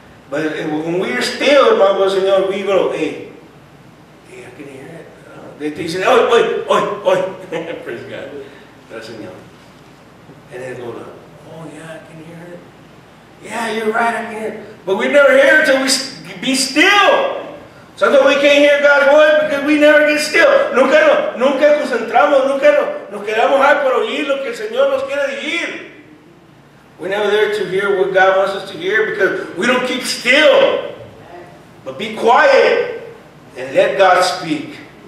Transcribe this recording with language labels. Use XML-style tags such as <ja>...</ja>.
<en>But when we are still, my brothers and sisters, we go, hey, hey, I can hear it. They say, oi, oi, oi, oi. Praise God. That's a young. And then go, oh, yeah, I can hear it. Yeah, you're right, I can hear it. But we never hear it until we be still. Sometimes we can't hear God's voice because we never get still.</en> <es>Nunca concentramos, nunca nos quedamos ahí para oír lo que el Señor nos quiere decir.</es> <en>We're never there to hear what God wants us to hear because we don't keep still. But be quiet and let God speak.</en>